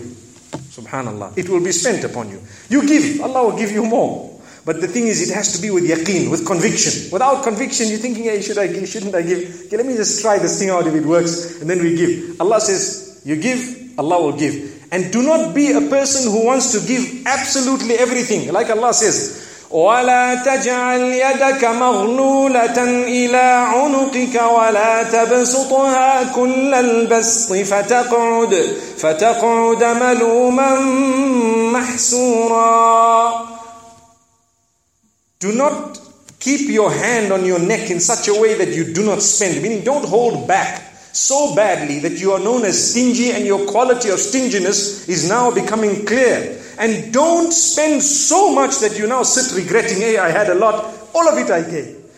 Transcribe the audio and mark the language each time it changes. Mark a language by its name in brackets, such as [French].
[English] Subhanallah. It will be spent upon you. You give, Allah will give you more. But the thing is, it has to be with yaqeen, with conviction. Without conviction, you're thinking, hey, should I give, shouldn't I give? Okay, let me just try this thing out if it works. And then we give. Allah says, you give, Allah will give. And do not be a person who wants to give absolutely everything. Like Allah says, [Arabic] وَلَا تَجْعَلْ يَدَكَ مَغْلُولَةً إِلَىٰ عُنُقِكَ وَلَا تَبْسُطُهَا كُلَّ الْبَسْطِ فَتَقْعُدَ مَلُومًا مَحْسُورًا. [English] Do not keep your hand on your neck in such a way that you do not spend. Meaning, don't hold back so badly that you are known as stingy and your quality of stinginess is now becoming clear. And don't spend so much that you now sit regretting, hey, I had a lot, all of it I gave.